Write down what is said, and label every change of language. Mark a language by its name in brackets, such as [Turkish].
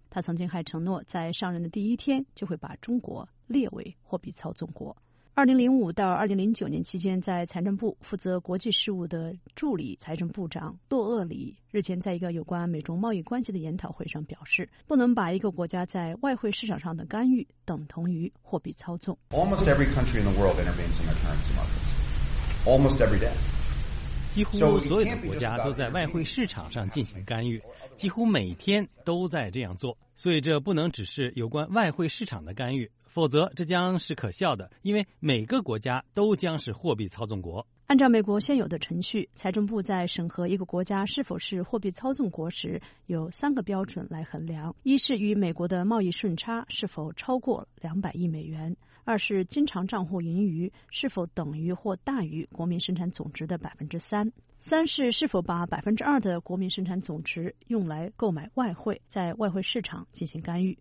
[Chinese] 他曾经还承诺在上任的第一天就会把中国列为货币操纵国。 2005到2009年期间，在财政部负责国际事务的助理财政部长洛厄里日前在一个有关美中贸易关系的研讨会上表示，不能把一个国家在外汇市场上的干预等同于货币操纵。 [English] Almost every country in the world intervenes in their currency markets. Almost every day. [Chinese] 几乎所有的国家都在外汇市场上进行干预，几乎每天都在这样做，所以这不能只是有关外汇市场的干预，否则这将是可笑的，因为每个国家都将是货币操纵国。按照美国现有的程序，财政部在审核一个国家是否是货币操纵国时，有三个标准来衡量：一是与美国的贸易顺差是否超过200亿美元；二是经常账户盈余是否等于或大于国民生产总值的3%；三是是否把2%的国民生产总值用来购买外汇，在外汇市场进行干预。